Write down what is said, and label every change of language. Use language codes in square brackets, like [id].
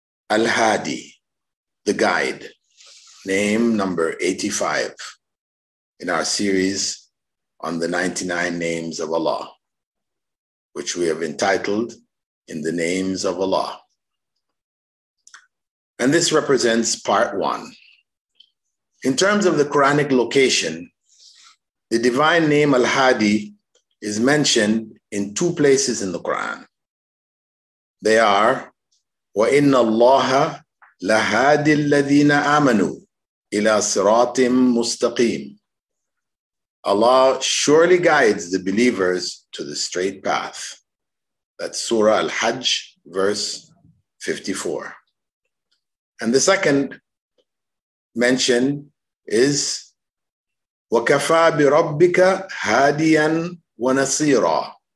[en] Al-Hadi, the guide, name number 85 in our series on the 99 names of Allah, which we have entitled In the Names of Allah. And this represents part one. In terms of the Quranic location, the divine name Al-Hadi is mentioned in two places in the Quran. They are, [ar] وَإِنَّ اللَّهَ لَهَادِ الَّذِينَ آمَنُوا إِلَىٰ صِرَاطٍ مُسْتَقِيمٍ. [en] Allah surely guides the believers to the straight path. That's Surah Al-Hajj, verse 54. And the second mention is [ar] وَكَفَى بِرَبِّكَ هَادِيًا وَنَصِيرًا.